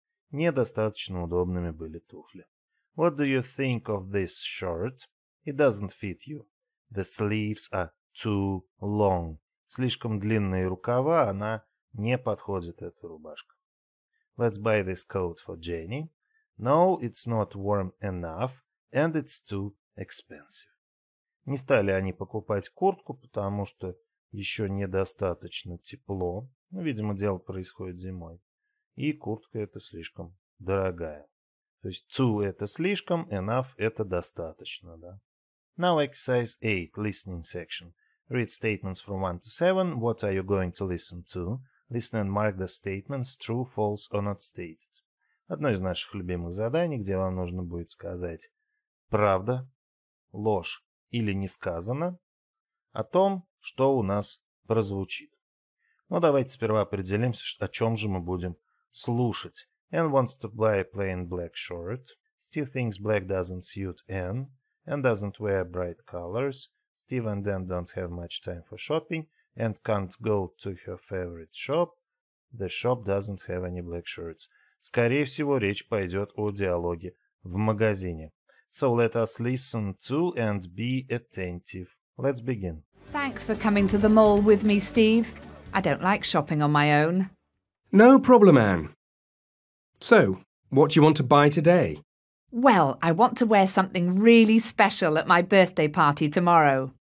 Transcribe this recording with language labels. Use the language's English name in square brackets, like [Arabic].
[Russian] Недостаточно удобными были туфли. [English] What do you think of this shirt? It doesn't fit you. The sleeves are too long. [Russian] Слишком длинные рукава, она не подходит, эта рубашка. [English] Let's buy this coat for Jenny. No, it's not warm enough, and it's too expensive. [Russian] Не стали они покупать куртку, потому что еще недостаточно тепло. Ну, видимо, дело происходит зимой. И куртка эта слишком дорогая. То есть too это слишком, enough это достаточно. Да? [English] Now exercise 8, listening section. Read statements from 1 to 7. What are you going to listen to? Listen and mark the statements true, false or not stated. [Russian] Одно из наших любимых заданий, где вам нужно будет сказать правда, ложь или не сказано о том, что у нас прозвучит. Но давайте сперва определимся, о чем же мы будем слушать. [English] Anne wants to buy a plain black shirt. Steve thinks black doesn't suit Anne. Anne doesn't wear bright colors. Steve and Anne don't have much time for shopping. And can't go to her favorite shop. The shop doesn't have any black shirts. [Russian] Скорее всего, речь пойдет о диалоге в магазине. [English] So let us listen to and be attentive. Let's begin. Thanks for coming to the mall with me, Steve. I don't like shopping on my own. No problem, Anne. So, what do you want to buy today? Well, I want to wear something really special at my birthday party tomorrow.